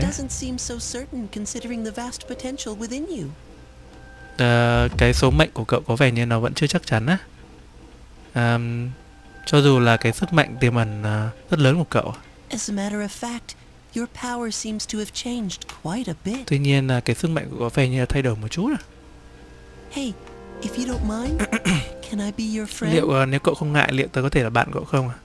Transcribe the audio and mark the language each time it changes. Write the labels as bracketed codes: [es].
[en] It doesn't seem so certain considering the vast potential within you. [vi] Cái số mệnh của cậu có vẻ như nó vẫn chưa chắc chắn á. Cho dù là cái sức mạnh tiềm ẩn rất lớn của cậu. [en] As a matter of fact, your power seems to have changed quite a bit. [vi] Tuy nhiên là cái sức mạnh của cậu có vẻ như là thay đổi một chút à. [en] Hey, if you don't mind, can I be your friend? [vi] Liệu nếu cậu không ngại, liệu tớ có thể là bạn cậu không à?